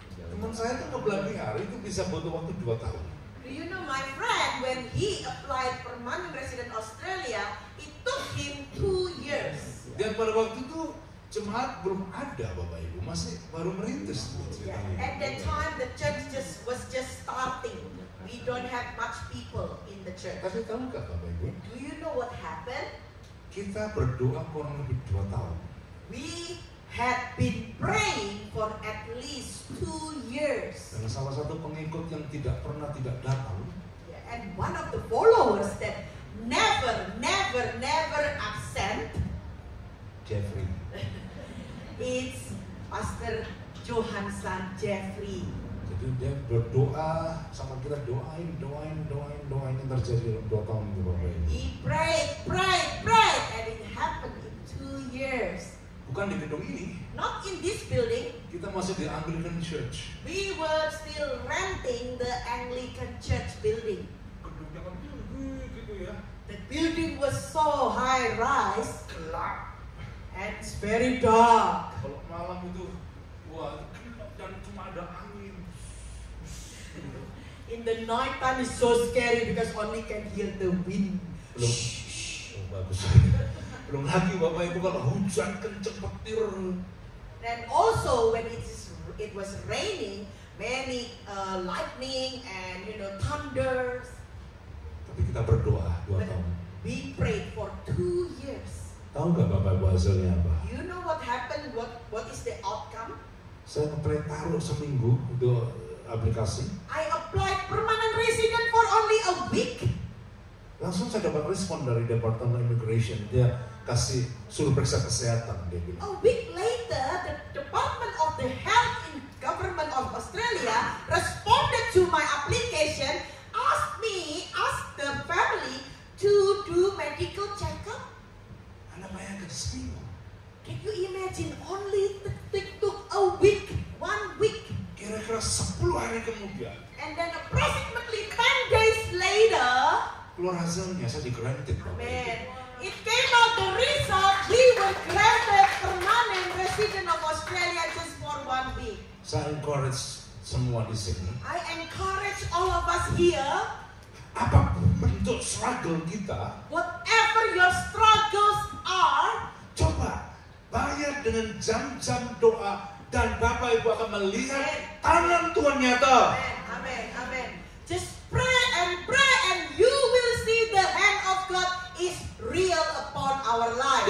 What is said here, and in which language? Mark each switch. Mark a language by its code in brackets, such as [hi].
[id] Teman saya tuh oblinger itu bisa butuh waktu 2 tahun. [en] Do you know my friend when he applied permanent resident Australia, it took him 2 years. [id] Dan pada waktu itu jemaat belum ada Bapak Ibu, masih baru merintis tuh ceritanya. [en] Yeah. At that time the church was just starting. We don't have much people in the church. [id] Tapi tahu nggak Bapak Ibu? [en] Do you know what happened? [id] Kita berdoa kurang lebih 2 tahun. [en] We had been praying for at least 2 years. [id] Dan salah satu pengikut yang tidak pernah tidak datang. [en] Yeah. And one of the followers that never absent. Jeffrey. It's Pastor Johansson Jeffrey. [id] Jadi dia berdoa sama kita doain yang terjadi dalam 2 tahun itu Bapak Ibu. [en] He prayed and it happened in 2 years. [id] Bukan di gedung ini. [en] Not in this building. [id] Kita masih di Anglican Church. [en] We were still renting the Anglican Church building. [id] Gedungnya kan tinggi gitu ya. [en] The building was so high rise. [id] Gelap. [en] And it's very dark. [id] Kalau malam itu, wah gelap dan cuma ada angin. [en] In the night time is so scary because only can hear the wind. [id] Belum bagus. Belum lagi Bapak Ibu kalau hujan kenceng petir. [en] And also when it was raining, many lightning and you know thunders. [id] Tapi kita berdoa 2 tahun. [en] We prayed for 2 years. [id] Tahu nggak Bapak Ibu hasilnya apa? [en] You know what happened? What is the outcome? [id] Saya ngepray taruh seminggu untuk aplikasi. [en] I applied permanent resident for only a week. [id] Langsung saya dapat respon dari Departemen Immigration. Dia kasih suruh periksa kesehatan. Dia bilang. [en] A week later, the Department of the Health in Government of Australia responded to my application, asked the family to do medical checkup. [id] Anda bayangkan seminggu. [en] Can you imagine? Only it took a week, 1 week. [id] Kira-kira 10 hari kemudian. [en] And then approximately 10 days later. [id] Keluar hasilnya saya di granted. [en] Amen. It came out the result he was granted permanent resident of Australia just for one week. [id] Saya encourage semua di sini. [en] I encourage all of us here. [id] Apapun bentuk struggle kita. [en] Whatever your struggles are. [id] Coba bayar dengan jam-jam doa dan Bapak Ibu akan melihat amen. Tangan Tuhan nyata. [en] Amen, amen, amen. Just pray and pray and you will see the hand of God is real upon our life.